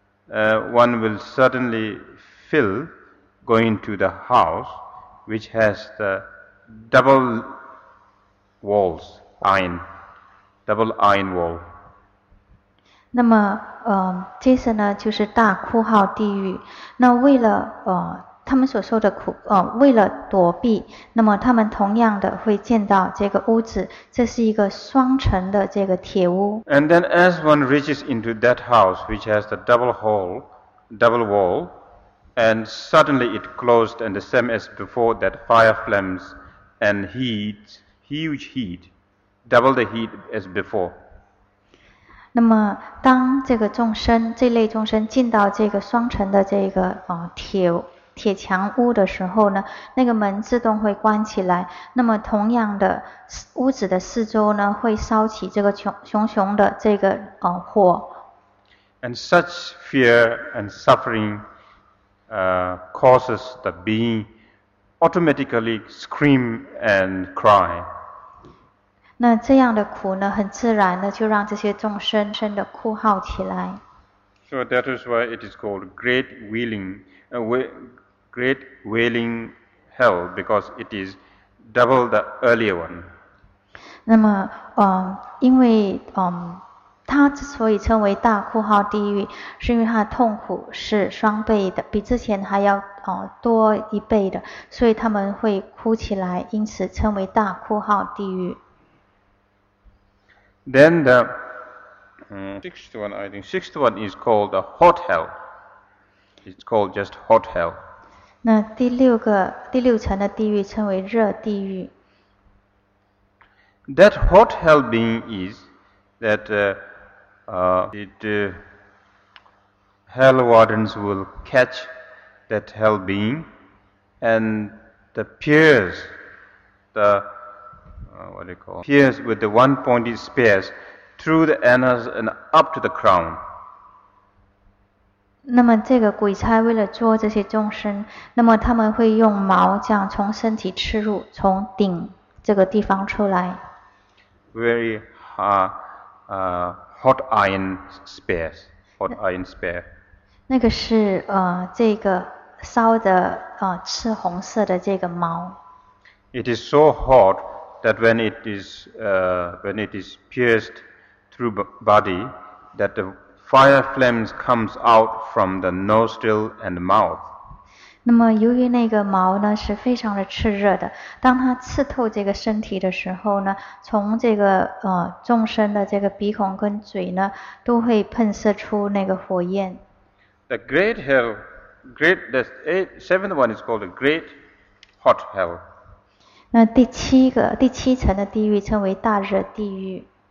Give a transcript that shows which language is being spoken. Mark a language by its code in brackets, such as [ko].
[en] One will suddenly feel going to the house which has the double walls, iron, double iron wall. [zh] 那么接着呢就是大哭号地狱。那为了他们所受的苦为了躲避，那么他们同样的会见到这个屋子，这是一个双层的这个铁屋。 [en] And then as one reaches into that house which has the double hole, double wall, and suddenly it closed and the same as before, that fire flames and heat, huge heat, double the heat as before. [zh] 那么当这个众生，这类众生进到这个双层的这个铁墙屋的时候呢，那个门自动会关起来，那么同样的屋子的四周呢会烧起这个熊熊的这个火。 [en] And such fear and suffering causes the being automatically scream and cry. [zh] 那这样的苦呢，很自然的就让这些众生生的哭号起来。 [en] So that is why it is called great wailing hell, because it is double the earlier one. [zh] 那么，因为它之所以称为大哭号地狱，是因为它的痛苦是双倍的，比之前还要多一倍的，所以他们会哭起来，因此称为大哭号地狱。 [en] Then the sixth one is called the hot hell. It's called just hot hell. [zh] 那第六层的地狱称为热地狱。 [en] That hot hell being is that hell wardens will catch that hell being and the pierce the. Pierce with the one-pointed spears through the anus and up to the crown. [zh] 那么这个鬼差为了捉这些众生，那么他们会用矛这样从身体刺入，从顶这个地方出来。 [en] Very hard, hot iron spears, hot iron spear. [zh] 那个是这个烧的赤红色的这个矛。 [en] It is so hot that when it is pierced through body, that the fire flames comes out from the nostril and mouth. [zh] 那么由于那个毛呢是非常的炽热的，当它刺透这个身体的时候呢，从这个众生的这个鼻孔跟嘴呢，都会喷射出那个火焰。 [en] The great hell, the seventh one is called the great hot hell. [zh] 那第七层的地狱称为大热地狱。